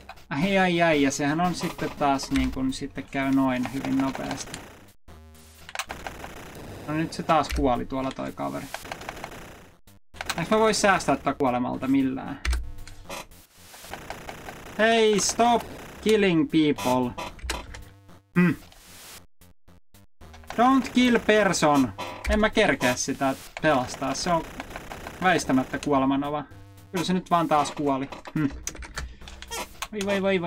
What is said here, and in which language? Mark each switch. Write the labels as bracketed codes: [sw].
[fi] Ai, ja sehän on sitten taas niinku, sitten käy noin hyvin nopeasti. No nyt se taas kuoli tuolla toi kaveri. Eikö mä voi säästää tätä kuolemalta millään? [en] Hei, stop killing people! Don't kill person. [fi] En mä kerkeä sitä pelastaa. Se on väistämättä kuolemanova. Kyllä se nyt vaan taas kuoli. Vai.